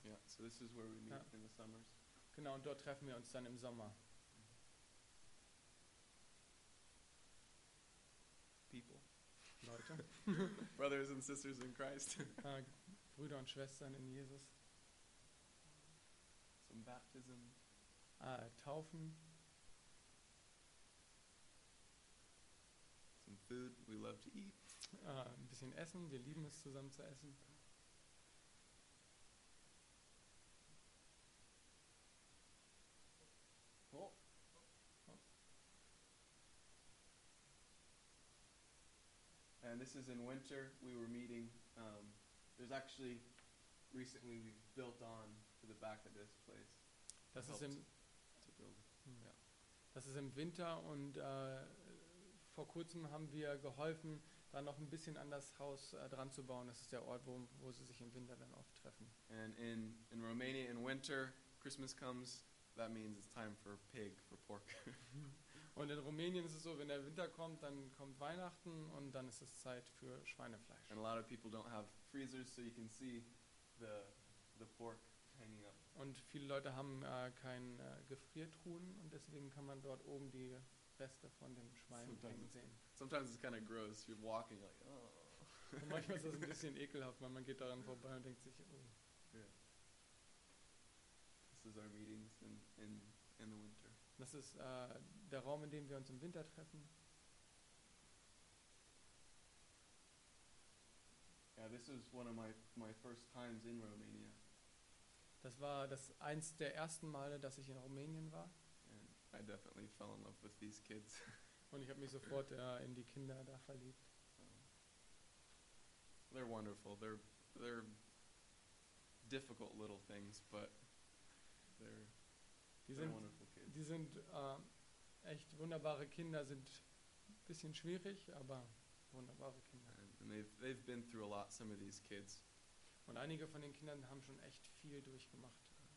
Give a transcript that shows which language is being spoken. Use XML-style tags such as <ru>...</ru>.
<en>Ja, yeah, so this is where we meet, ja, in the summers.</en> <de>Genau, und dort treffen wir uns dann im Sommer. Leute.</de> <en>Brothers and sisters in Christ.</en> <de>Brüder und Schwestern in Jesus.</de> <en>Some baptism.</en> <de>Taufen.</de> <en>Some food. We love to eat.</en> <de>Ein bisschen Essen. Wir lieben es, zusammen zu essen.</de> <en>And this is in winter. We were meeting. There's actually recently we've built on to the back of this place.</en> <de>Das ist im</de> <en>to build.</en> <de>Ja. Das ist im Winter und vor kurzem haben wir geholfen, da noch ein bisschen an das Haus dran zu bauen. Das ist der Ort, wo sie sich im Winter dann oft treffen.</de> <en>And in Romania in winter, Christmas comes. That means it's time for pig, for pork.</en> <de>Und in Rumänien ist es so, wenn der Winter kommt, dann kommt Weihnachten und dann ist es Zeit für Schweinefleisch.</de> <en>And a lot of people don't have freezers, so you can see the pork hanging up.</en> <de>Und viele Leute haben keinen Gefriertruhen und deswegen kann man dort oben die Reste von dem Schwein hängen sehen.</de> <en>Sometimes it's kind of gross. You're walking, you're like, oh.</en> <de>Und manchmal ist das ein bisschen ekelhaft, weil man geht daran vorbei und denkt sich, oh.</de> <en>Our meetings in the winter.</en> <de>Das ist der Raum, in dem wir uns im Winter treffen.</de> <en>Yeah, this is one of my first times in Romania.</en> <de>Das war das eins der ersten Male, dass ich in Rumänien war.</de> <en>And I definitely fell in love with these kids.</en> <de>Und ich habe mich sofort in die Kinder da verliebt.</de> <en>So. They're wonderful. They're difficult little things, but</en> <de>Die sind echt wunderbare Kinder, sind ein bisschen schwierig, aber wunderbare Kinder.</de> <en>And they've been through a lot, some of these kids.</en> <de>Und einige von den Kindern haben schon echt viel durchgemacht.</de>